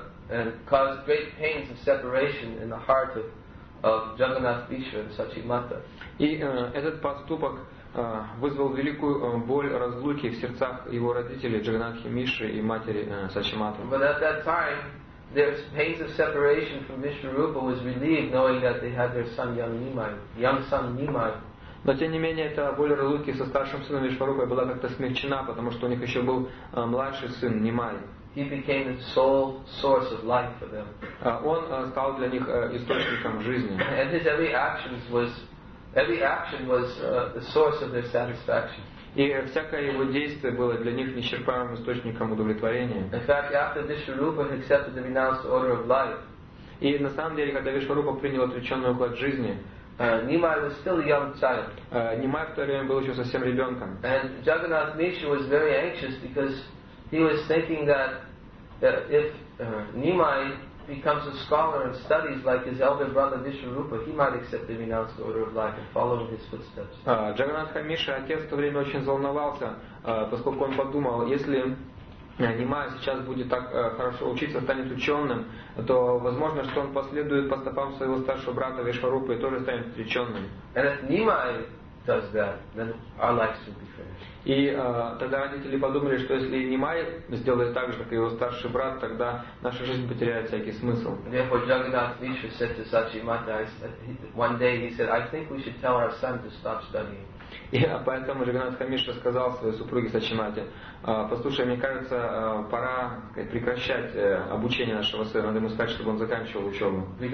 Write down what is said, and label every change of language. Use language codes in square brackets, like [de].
[en] And caused great pains of separation in the heart of Jagannath Bhishma and Sachimata. [ru] И этот поступок вызвал великую боль разлуки в сердцах его родителей Джаганнатхи Миши и матери Сачиматы. [en] But at that time, their pains of separation from Vishwarupa was relieved, knowing that they had their son young son Nimai. [ru] Но тем не менее, эта боль разлуки со старшим сыном Вишварупой была как-то смягчена, потому что у них еще был младший сын Нимай. [en] He became the sole source of life for them. [ru] Он стал для них источником жизни. [en] And his every action was the source of their satisfaction. [ru] И всякое его действие было для них неисчерпаемым источником удовлетворения. [en] In fact, after Vishwarupa accepted the renounced order of life. [ru] И на самом деле, когда Вишварупа принял отреченный уклад жизни, [en] Nimai was still a young child. [ru] Nimai в то время был еще совсем ребенком. [en] And Jagannath Mishra was very anxious because he was thinking that if Nimai becomes a scholar and studies like his elder brother Vishwarupa, he might accept the renounced order of life and follow in his footsteps. [ru] Джагнатха Миша, отец в то время очень волновался, поскольку он подумал, если Нимай сейчас будет так хорошо учиться, станет ученым, то возможно, что он последует по стопам своего старшего брата Вишварупы и тоже станет ученым. [en] And if Nimai does that, then our lives will be finished. [ru] И тогда родители подумали, что если Нимай сделает так же, как и его старший брат, тогда наша жизнь потеряет всякий смысл. [en] One day he said, I think we should tell our son to stop studying. [ru] И поэтому Джаганнат Хамиша сказал своей супруге Сачимати: «Послушай, мне кажется, пора прекращать обучение нашего сына, надо ему сказать, чтобы он заканчивал учебу».